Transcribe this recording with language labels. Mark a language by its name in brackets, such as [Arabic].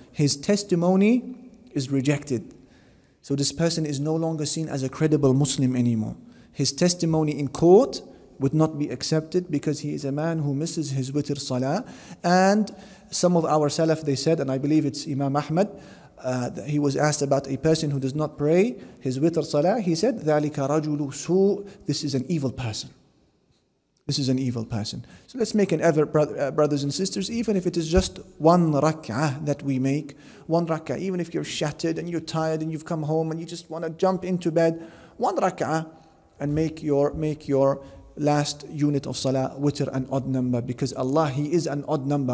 [English] His testimony is rejected. So this person is no longer seen as a credible Muslim anymore. His testimony in court would not be accepted because he is a man who misses his witr salah. And some of our salaf, they said, and I believe it's Imam Ahmad, that he was asked about a person who does not pray his witr salah. He said, [Arabic] ذَلِكَ رَجُلُ سُوءٍ. [English] This is an evil person. This is an evil person. So let's make an effort, brothers and sisters, even if it is just one rak'ah that we make, one rak'ah, even if you're shattered and you're tired and you've come home and you just want to jump into bed, one rak'ah, and make your last unit of salah, witr, an odd number, because Allah, He is an odd number.